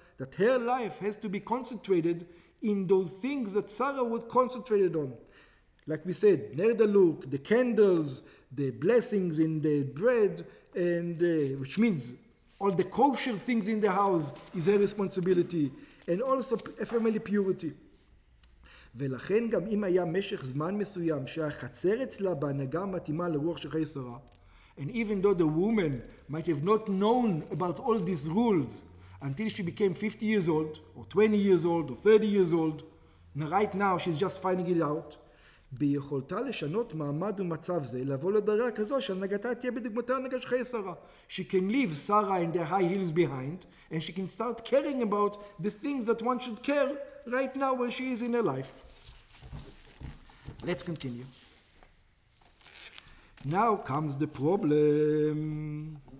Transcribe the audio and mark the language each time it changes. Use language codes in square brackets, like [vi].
[en] That her life has to be concentrated in those things that Sarah would concentrate on. Like we said, ner daluk, the candles, the blessings in the bread, and which means all the kosher things in the house is her responsibility, and also family purity. [he] ולכן גם אם היה משך זמן מסוים שהחצר אצלה בהנהגה מתאימה לרוח של חיי שרה, [en] and even though the woman might have not known about all these rules until she became 50 years old, or 20 years old, or 30 years old, and right now she's just finding it out, [he] ביכולתה לשנות מעמד ומצב זה, לבוא לדרגה כזו שהנהגתה תהיה בדוגמתה הנהגה של חיי שרה. [en] She can leave Sarah in the high heels behind, and she can start caring about the things that one should care right now where she is in her life. Let's continue. Now comes the problem.